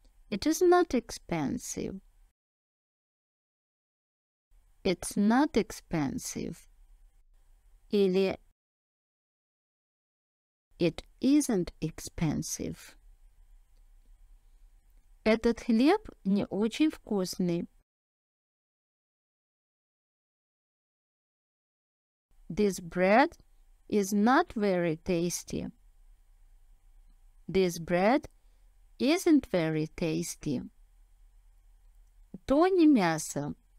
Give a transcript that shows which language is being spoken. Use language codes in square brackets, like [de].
[en] It is not expensive. It's not expensive. Или it isn't expensive. [ru] Этот хлеб не очень вкусный. [en] This bread is not very tasty. This bread isn't very tasty. [ru] То не мясо.